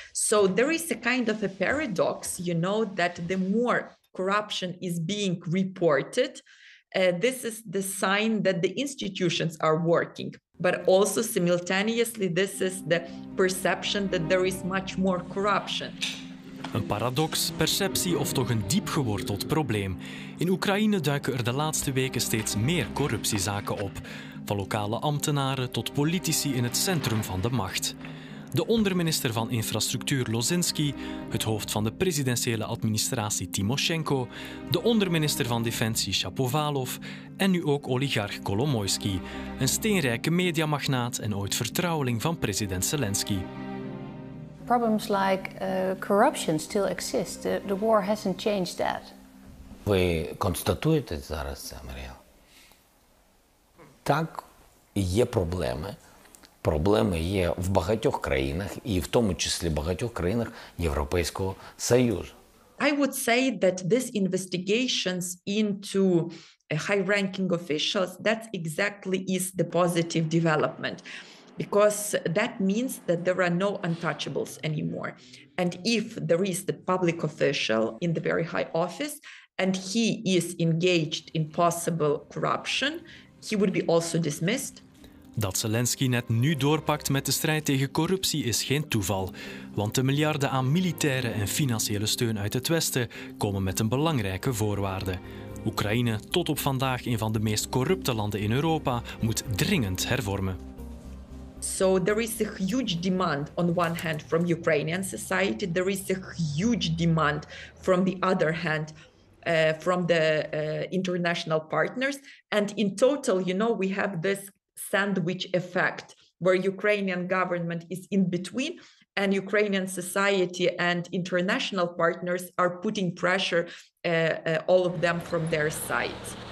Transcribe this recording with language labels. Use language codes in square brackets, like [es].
[en] So there is a kind of a paradox, you know, that the more corruption is being reported, this is the sign that the institutions are working. But also simultaneously, this is the perception that there is much more corruption. [nl] Een paradox, perceptie of toch een diep geworteld probleem. In Oekraïne duiken er de laatste weken steeds meer corruptiezaken op. Van lokale ambtenaren tot politici in het centrum van de macht. De onderminister van Infrastructuur Lozinski, het hoofd van de presidentiële administratie Timoshenko, de onderminister van Defensie Shapovalov en nu ook oligarch Kolomoisky, een steenrijke mediamagnaat en ooit vertrouweling van president Zelensky. [en] Problems like corruption still exist. The war hasn't changed that. We constatuen het zara samen. [uk] Так, є проблеми. Проблеми є в багатьох країнах і в тому числі багатьох країнах Європейського Союзу. [en] I would say that these investigations into high-ranking officials, that exactly is the positive development. Because that means that there are no untouchables anymore. And if there is the public official in the very high office and he is engaged in possible corruption, he would be also dismissed. [nl] Dat Zelensky net nu doorpakt met de strijd tegen corruptie is geen toeval. Want de miljarden aan militaire en financiële steun uit het Westen komen met een belangrijke voorwaarde. Oekraïne, tot op vandaag een van de meest corrupte landen in Europa, moet dringend hervormen. [en] So there is a huge demand on one hand from Ukrainian society. There is a huge demand from the other hand from the international partners. And in total, you know, we have this sandwich effect where Ukrainian government is in between and Ukrainian society and international partners are putting pressure, all of them from their side.